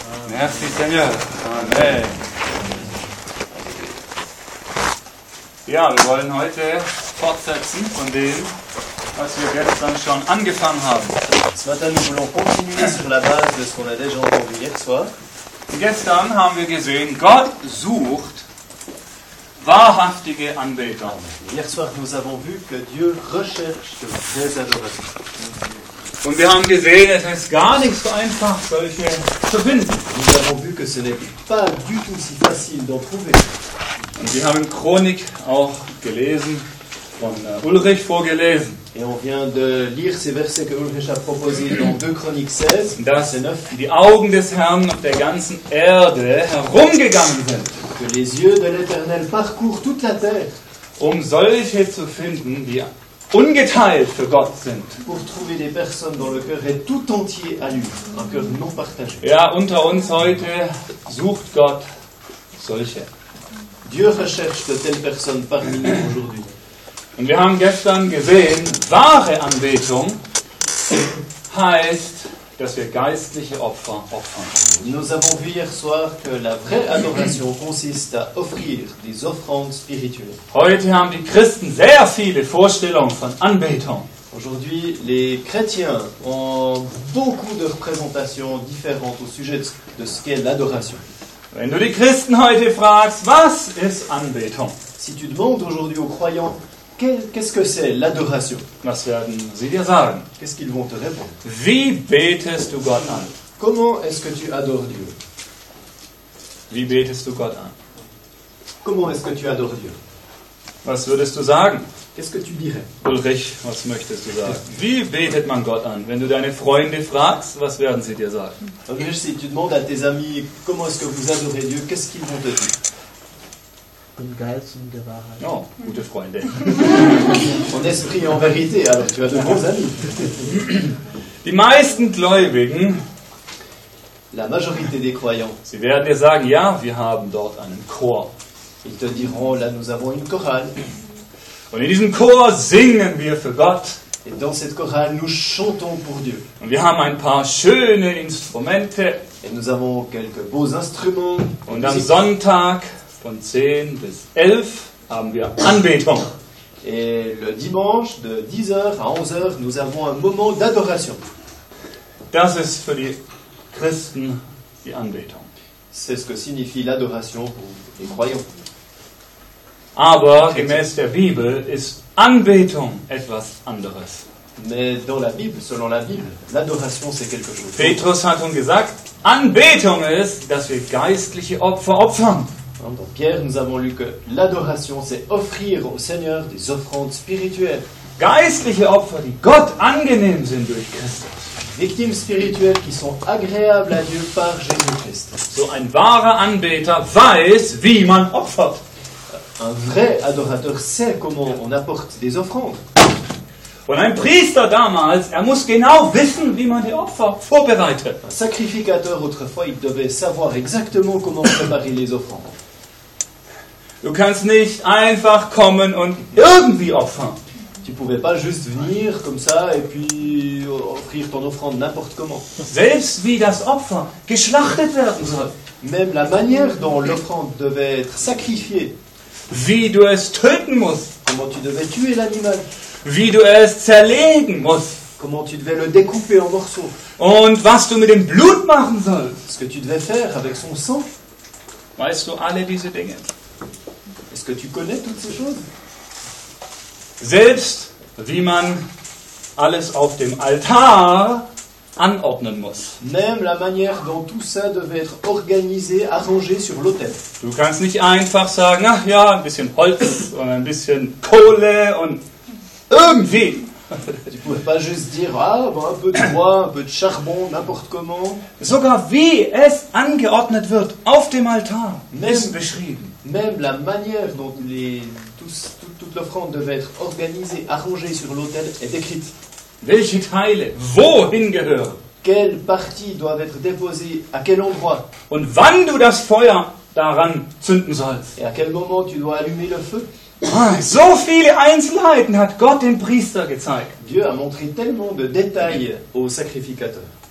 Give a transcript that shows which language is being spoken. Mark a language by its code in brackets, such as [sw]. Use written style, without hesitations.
[fr] Merci Seigneur. Amen. [de] Ja, wir wollen heute fortsetzen von dem, was wir gestern schon angefangen haben. [fr] Ce matin, nous voulons continuer sur la base de ce qu'on a déjà entendu hier soir. [de] Gestern haben wir gesehen, Gott sucht wahrhaftige Anbeter. [fr] Hier soir, nous avons vu que Dieu recherche de vrais adorateurs. [de] Und wir haben gesehen, es ist gar nicht so einfach, solche zu finden. [fr] Nous avons vu que ce n'est pas du tout si facile d'en trouver. [de] Und wir haben Chronik auch gelesen, von Ulrich vorgelesen. [fr] Et on vient de lire ces versets que Ulrich a proposé dans 2 Chroniques 16. [de] Dass die Augen des Herrn auf der ganzen Erde herumgegangen sind. [fr] Que les yeux de l'Éternel parcourent toute la terre. [de] Um solche zu finden, die ungeteilt für Gott sind. [fr] Pour trouver des personnes dont le cœur est tout entier à lui, un cœur non partagé. [de] Ja, unter uns heute sucht Gott solche. [fr] Dieu recherche de telles personnes parmi nous aujourd'hui. [de] Und wir haben gestern gesehen, wahre Anbetung heißt, dass wir geistliche Opfer opfern. [fr] Nous avons vu hier soir que la vraie adoration consiste à offrir des offrandes spirituelles. [de] Heute haben die Christen sehr viele Vorstellungen von Anbetung. [fr] Aujourd'hui, les chrétiens ont beaucoup de représentations différentes au sujet de ce qu'est l'adoration. [de] Wenn du die Christen heute fragst, was ist Anbetung? [fr] Si tu demandes aujourd'hui aux croyants, qu'est-ce que c'est l'adoration? [de] Was werden sie dir sagen? [fr] Qu'est-ce qu'ils vont te répondre? [de] Wie betest du Gott an? [fr] Comment est-ce que tu adores Dieu? [de] Wie betest du Gott an? [fr] Comment est-ce que tu adores Dieu? [de] Was würdest du sagen? [fr] Qu'est-ce que tu dirais? [de] Ulrich, was möchtest du sagen? Wie betet man Gott an? Wenn du deine Freunde fragst, was werden sie dir sagen? [fr] Ulrich, si tu demandes à tes amis comment est-ce que vous adorez Dieu, qu'est-ce qu'ils vont te dire? [de] Im Geist und der Wahrheit. Oh, gute Freunde. Und [fr] Esprit en vérité, alors tu as de bons amis. [de] Die meisten Gläubigen, [fr] la majorité des croyants, [de] sie werden dir sagen, ja, wir haben dort einen Chor. [fr] Ils te diront, là, nous avons une chorale. [de] Und in diesem Chor singen wir für Gott. [fr] Et dans cette chorale, nous chantons pour Dieu. [de] Und wir haben ein paar schöne Instrumente. [fr] Et nous avons quelques beaux instruments. [de] Und am Sonntag von 10 bis 11 haben wir Anbetung. [fr] Et le dimanche de 10h à 11h nous avons un moment d'adoration. [de] Das ist für die Christen die Anbetung. [fr] C'est ce que signifie l'adoration pour les croyants. [de] Aber gemäß der Bibel ist Anbetung etwas anderes. [fr] Mais dans la Bible, selon la Bible, l'adoration c'est quelque chose. [de] Petrus hat uns gesagt, Anbetung ist, dass wir geistliche Opfer opfern. [fr] Dans Pierre, nous avons lu que l'adoration, c'est offrir au Seigneur des offrandes spirituelles. [de] Geistliche Opfer, die Gott angenehm sind durch Christus. [fr] Victimes spirituelles qui sont agréables à Dieu par Jésus-Christ. [de] So ein wahrer Anbeter weiß, wie man opfert. [fr] Un vrai adorateur sait comment on apporte des offrandes. [de] Und ein Priester damals, muss genau wissen, wie man die Opfer vorbereitet. [fr] Un sacrificateur autrefois, il devait savoir exactement comment préparer les offrandes. [de] Du kannst nicht einfach kommen und irgendwie opfern. [fr] Tu pouvais pas juste venir comme ça et puis offrir ton offrande n'importe comment. [de] Selbst wie das Opfer geschlachtet werden soll. [fr] Même la manière dont l'offrande devait être sacrifiée. [de] Wie du es töten musst. [fr] Comment tu devais tuer l'animal. [de] Wie du es zerlegen musst. [fr] Comment tu devais le découper en morceaux. [de] Und was du mit dem Blut machen sollst. [fr] Ce que tu devais faire avec son sang. [de] Weißt du alle diese Dinge? [fr] Est-ce que tu connais toutes ces choses? [de] Selbst wie man alles auf dem Altar anordnen muss. [fr] Même la manière dont tout ça devait être organisé, arrangé sur l'autel. [de] Du kannst nicht einfach sagen, ach ja, ein bisschen Holz und ein bisschen Kohle und irgendwie. [fr] Tu pouvais pas juste dire ah bon, un peu de bois, un peu de charbon, n'importe comment. [de] Sogar wie es angeordnet wird auf dem Altar. [fr] Même [de] beschrieben. [fr] Même la manière dont toute l'offrande devait être organisée, arrangée sur l'autel est décrite. [de] Welche Teile wohin gehören? [fr] Quelles parties doivent être déposées à quel endroit? [de] Und wann du das Feuer daran zünden sollst? [fr] Et à quel moment tu dois allumer le feu? [de] So viele Einzelheiten hat Gott dem Priester gezeigt. [fr] Dieu a montré tellement de détails au sacrificateur.